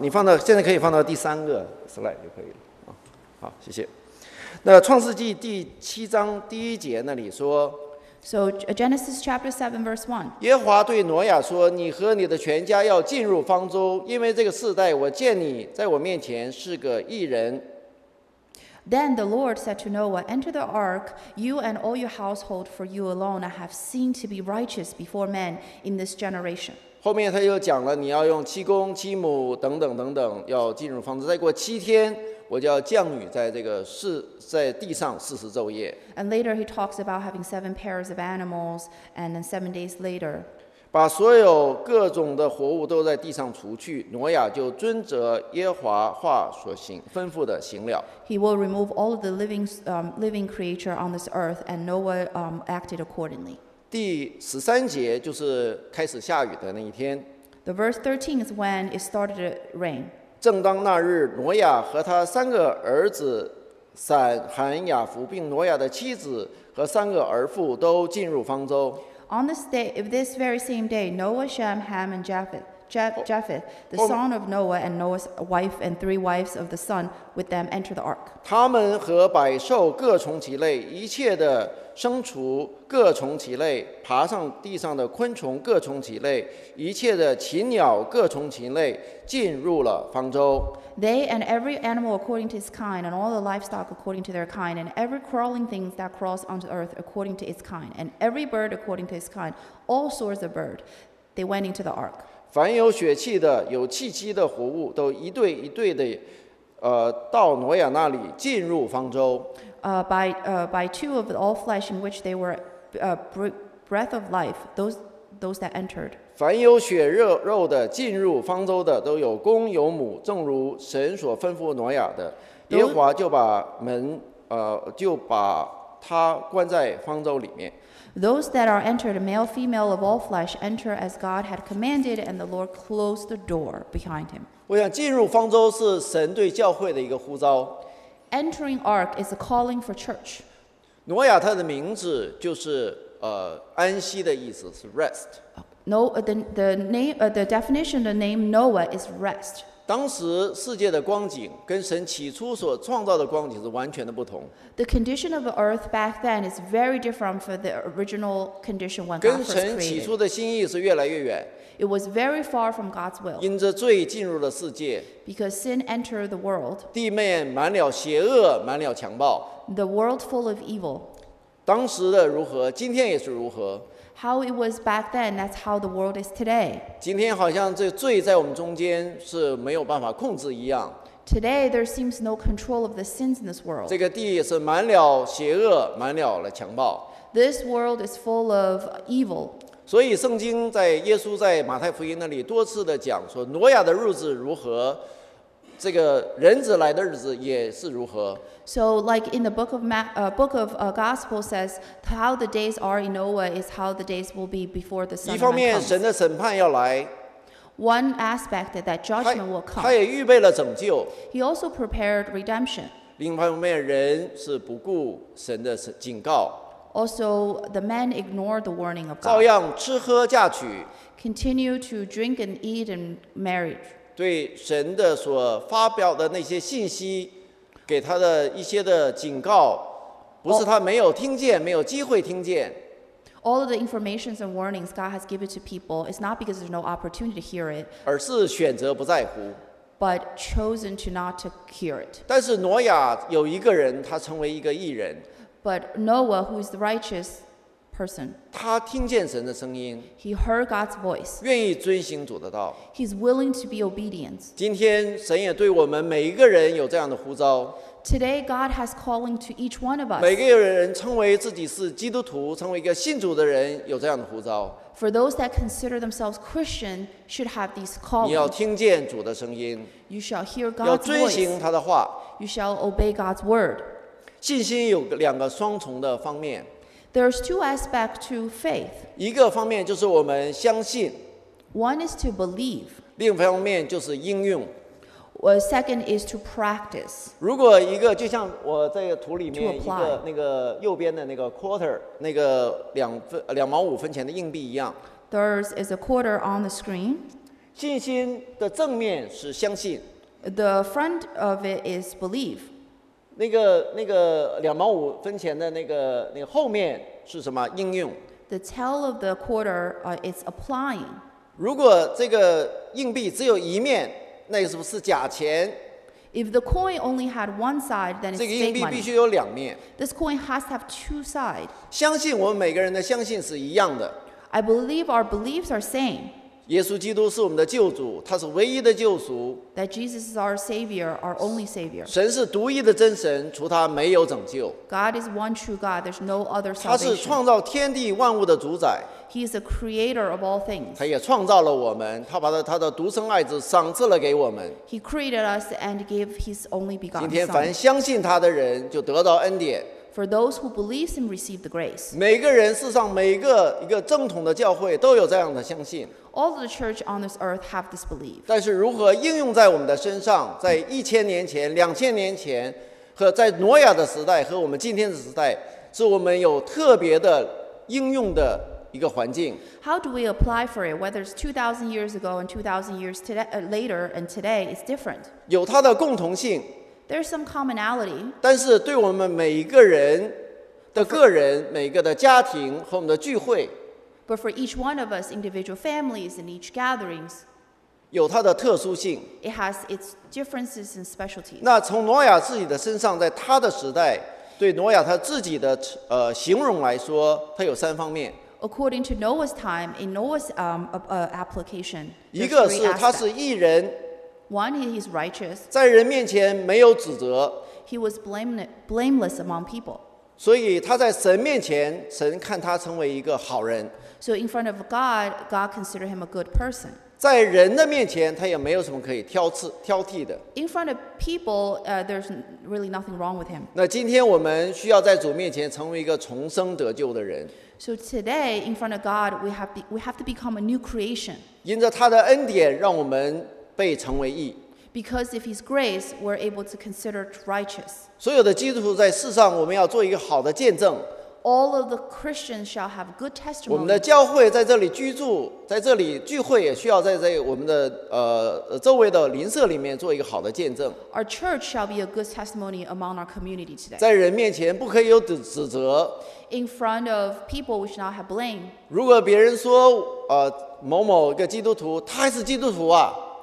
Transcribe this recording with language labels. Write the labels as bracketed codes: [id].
[zh] 你放到现在可以放到第三个 slide 就可以了。好，谢谢。那创世纪第七章第一节那里说 [en] ，So Genesis chapter 7 verse 1。 [zh] 耶和华对挪亚说：“你和你的全家要进入方舟，因为这个世代我见你在我面前是个义人。” [en] Then the Lord said to Noah, "Enter the ark, you and all your household, for you alone I have seen to be righteous before men in this generation." [zh] 后面他又讲了，你要用七公七母等等等等，要进入方舟。再过七天，我就要降雨在这个世，在地上四十昼夜。 [en] And later he talks about having seven pairs of animals, and then 7 days later, [zh] 把所有各种的活物都在地上除去。挪亚就遵着耶和华话所行吩咐的行了。 [en] He will remove all of the living creature on this earth, and Noah acted accordingly. [zh] 第十三节就是开始下雨的那一天。 [en] The verse 13 is when it started to rain. [zh] 正当那日，挪亚和他三个儿子闪、韩、雅弗并挪亚的妻子和三个儿妇都进入方舟。 [en] On this day, this very same day, Noah, Shem, Ham, and Japheth, the son of Noah and Noah's wife and three wives of the son with them enter the ark. [zh] 他们和百兽各从其类，一切的牲畜各从其类，爬上地上的昆虫各从其类，一切的禽鸟各从其类，进入了方舟。 [en] They and every animal according to its kind, and all the livestock according to their kind, and every crawling thing that crawls onto earth according to its kind, and every bird according to its kind, all sorts of bird, they went into the ark. [zh] 凡有血气的、有气息的活物，都一对一对的，到挪亚那里进入方舟。 [en] By two of all flesh in which they were breath of life, those that entered. [zh] 凡有血肉的进入方舟的，都有公有母，正如神所吩咐挪亚的。耶和华就把门就把他关在方舟里面。 [en] Those that are entered, male, female of all flesh, enter as God had commanded, and the Lord closed the door behind him. [zh] 我想进入方舟是神对教会的一个呼召。 [en] Entering ark is a calling for church. [zh] 挪亚他的名字就是安息的意思，是 rest. [en] No, the name Noah is rest. [zh] 当时世界的光景跟神起初所创造的光景是完全的不同。 [en] The condition of the earth back then is very different from the original condition when God first created. [zh] 跟神起初的心意是越来越远。 [en] It was very far from God's will. [zh] 因着罪进入了世界。 [en] Because sin entered the world. [zh] 地面满了邪恶，满了强暴。 [en] The world full of evil. [zh] 当时的如何，今天也是如何。 [en] How it was back then, that's how the world is today. [zh] 今天好像这罪在我们中间是没有办法控制一样。 [en] Today, there seems no control of the sins in this world. [zh] 这个地是满了邪恶，满了了强暴。 [en] This world is full of evil. [zh] 所以圣经在耶稣在马太福音那里多次的讲说挪亚的日子如何，这个人子来的日子也是如何。 [en] So like in the book of Gospel says how the days are in Noah is how the days will be before the Son of Man comes. [zh] 一方面神的审判要来。 [en] One aspect that judgment will come. [zh] 他也预备了拯救。 [en] He also prepared redemption. [zh] 另一方面人是不顾神的警告。 [en] Also, the men ignore the warning of God. [zh] 照样吃喝嫁娶。 [en] Continue to drink and eat and marriage. [zh] 对神的所发表的那些信息，给他的一些的警告，不是他没有听见，没有机会听见。 [en] All of the information and warnings God has given to people, it's not because there's no opportunity to hear it. [zh] 而是选择不在乎。 [en] But chosen to not to hear it. [zh] 但是挪亚有一个人，他成为一个义人。 [en] But Noah, who is the righteous person, [zh] 他听见神的声音, [en] he heard God's voice. [zh] 愿意遵行主的道, [en] he's willing to be obedient. [zh] 今天神也对我们每一个人有这样的呼召。 [en] Today, God has calling to each one of us. [zh] 每个人称为自己是基督徒，成为一个信主的人，有这样的呼召。 [en] For those that consider themselves Christian, should have these calling. [zh] 你要听见主的声音, [en] you shall hear God's voice. [zh] 要遵行他的话, [en] you shall obey God's word. [zh] 信心有两个双重的方面。 [en] There's two aspects to faith. [zh] 一个方面就是我们相信。 [en] One is to believe. [zh] 另一方面就是应用。 [en] Second is to practice. [zh] 如果一个就像我在图里面一个那个右边的那个 quarter, 那个2.5分钱的硬币一样。 [en] There is a quarter on the screen. [zh] 信心的正面是相信。 [en] The front of it is believe. [zh] 那个2.5分钱的那个后面是什么应用 [en] ？The tail of the quarter is applying. [zh] 如果这个硬币只有一面，那是不是假钱 [en] ？If the coin only had one side, then it's fake money. [zh] 这个硬币必须有两面。 [en] This coin has to have two sides. [zh] 相信我们每个人的相信是一样的。 [en] I believe our beliefs are same. [zh] 耶稣基督是我们的救主，他是唯一的救赎。 [en] That Jesus is our Savior, our only Savior. [zh] 神是独一的真神，除他没有拯救。 [en] God is one true God. There's no other salvation. [zh] 他是创造天地万物的主宰。 [en] He is the Creator of all things. [zh] 他也创造了我们，他把他的独生爱子赏赐了给我们。 [en] He created us and gave His only begotten Son. [zh] 今天凡相信他的人就得到恩典。 [en] For those who believe Him receive the grace. [zh] 每个人世上每一个正统的教会都有这样的相信。 [en] All the church on this earth have this belief. [zh] 但是如何应用在我们的身上，在1000年前、2000年前，和在挪亚的时代和我们今天的时代是我们有特别的应用的一个环境。 [en] How do we apply for it? Whether it's 2,000 years ago and 2,000 years today, later and today, it's different. [zh] 有它的共同性。 [en] There's some commonality. [zh] 但是对我们每一个人的个人，每一个的家庭和我们的聚会。 [en] But for each one of us, individual families and each gatherings, [zh] 有它的特殊性。 [en] It has its differences and specialties. [zh] 那从挪亚自己的身上，在他的时代，对挪亚他自己的形容来说，他有三方面。 [en] According to Noah's time, in Noah's application, [zh] 一个是他是义人， [en] one he's righteous, [zh] 在人面前没有指责， [en] he was blameless among people, [zh] 所以他在神面前，神看他成为一个好人。 [en] So in front of God, God considered him a good person. [zh] 在人的面前，他也没有什么可以挑剔的。 [en] In front of people, there's really nothing wrong with him. [zh] 那今天我们需要在主面前成为一个重生得救的人。 [en] So today, in front of God, we have to become a new creation. [zh] 因着他的恩典，让我们被成为义。 [en] Because of His grace, we're able to consider righteous. [zh] 所有的基督徒在世上，我们要做一个好的见证。 [en] All of the Christians shall have good testimony. [zh] 我们的教会在这里居住，在这里聚会，也需要在我们的周围的邻舍里面做一个好的见证。 [en] Our church shall be a good testimony among our community today. [zh] 在人面前不可以有指责。 [en] In front of people, we should not have blame. [zh] 如果别人说某某一个基督徒，他还是基督徒啊。